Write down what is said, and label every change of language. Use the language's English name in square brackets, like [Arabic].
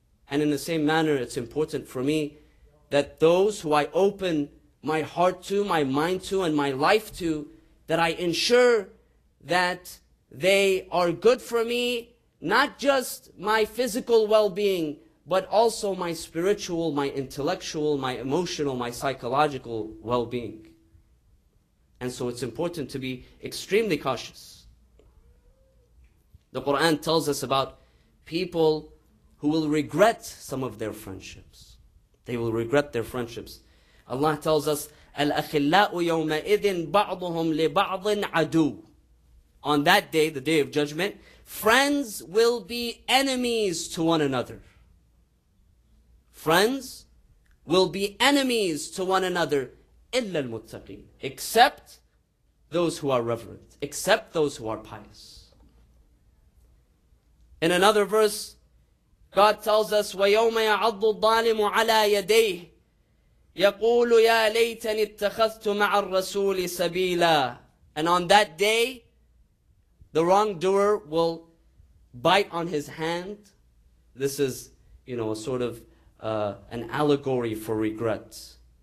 [English] And in the same manner, it's important for me that those who I open my heart to, my mind to, and my life to, that I ensure that they are good for me, not just my physical well-being, but also my spiritual, my intellectual, my emotional, my psychological well-being. And so it's important to be extremely cautious. The Quran tells us about people who will regret some of their friendships. They will regret their friendships. Allah tells us, [Arabic] الْأَخِلَّاءُ يَوْمَئِذٍ بَعْضُهُمْ لِبَعْضٍ عَدُوٍ. [English] On that day, the day of judgment, friends will be enemies to one another. Friends will be enemies to one another, [Arabic] إِلَّا الْمُتَّقِينَ, [English] except those who are reverent, except those who are pious. In another verse, God tells us, [Arabic] وَيَوْمَ يَعَضُّ الظَّالِمُ عَلَىٰ يَدَيْهِ يَقُولُ يَا لَيْتَنِ اتَّخَذْتُ مَعَ الرَّسُولِ سَبِيلًا. [English] And on that day, the wrongdoer will bite on his hand. This is, you know, a sort of an allegory for regret.